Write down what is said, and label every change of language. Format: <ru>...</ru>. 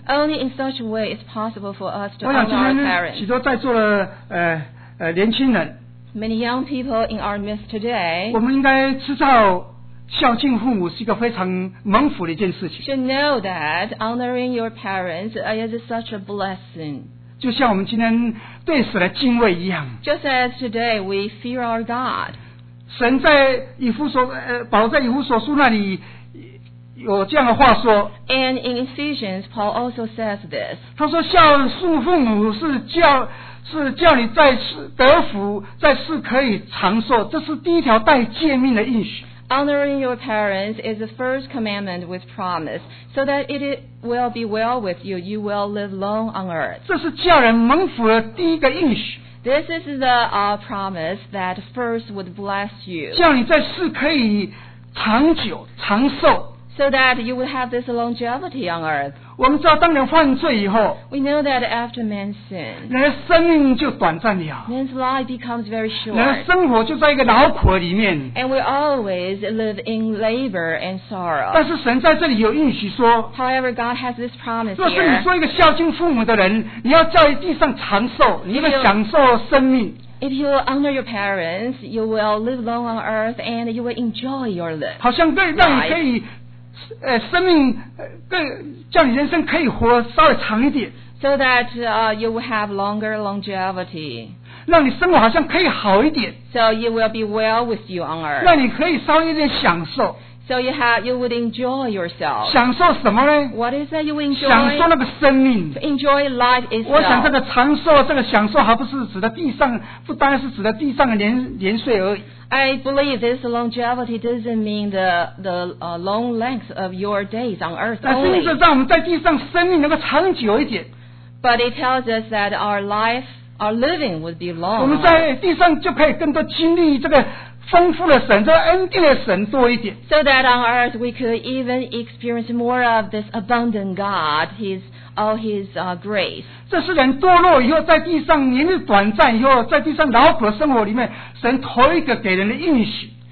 <en>Only in such a way it's possible for us to honor our parents.</en> <zh>我想今天许多在座的年轻人。</zh> <en>many young people in our midst today,</en> <zh>我们应该知道孝敬父母是一个非常蒙福的一件事情。</zh> <en>Should know that honoring your parents is such a blessing.</en> <zh>就像我们今天对神的敬畏一样。</zh> <en>Just as today we fear our God.</en> <zh>神在以弗所保罗在以弗所书那里有这样的话说。</zh> <en>And in Ephesians, Paul also says this.</en> <zh>他说孝顺父母是叫你在世得福，在世可以长寿，这是第一条带诫命的应许。</zh> <en>Honoring your parents is the first commandment with promise, so that it will be well with you, you will live long on earth.</en> <zh>这是叫人蒙福的第一个应许。</zh> <en>This is the promise that first would bless you.</en> <zh>叫你在世可以长久长寿。</zh> <en>So that you would have this longevity on earth.</en> <zh>我们知道当人犯罪以后，</zh> <en>We know that after man's sin,</en> <zh>人的生命就短暂了，</zh> <en>man's life becomes very short.</en> <zh>人的生活就在一个劳苦里面，</zh> <en>And we always live in labor and sorrow.</en> <zh>但是神在这里有应许说，</zh> <en>However, God has this promise here.</en> <zh>若是你做一个孝敬父母的人，你要在地上长寿，你要享受生命。</zh> <en>If you honor your parents, you will live long on earth and you will enjoy your life.</en> <zh>好像更让你可以生命更叫你人生可以活稍微长一点</zh> <en>so that you will have longer longevity</en> <zh>让你生活好像可以好一点</zh> <en>so you will be well with you on earth</en> <zh>让你可以稍微有点享受</zh> <en>so you would enjoy yourself</en> <zh>享受什么呢</zh> <en>what is that you enjoy</en> <zh>享受那个生命</zh> <en>enjoy life itself</en> <zh>我想这个长寿这个享受还不是指的地上不单是指的地上的 年岁而已</zh> <en>I believe this longevity doesn't mean the long length of your days on earth only. But it tells us that our life, our living would be long.</en> <zh>我们在地上就可以更多经历这个丰富的神，这个恩典的神多一点。</zh> <en>So that on earth we could even experience more of this abundant God, all his grace.</en> <zh>这是人堕落以后，在地上年日短暂以后，在地上劳苦的生活里面，神头一个给人的应许。</zh>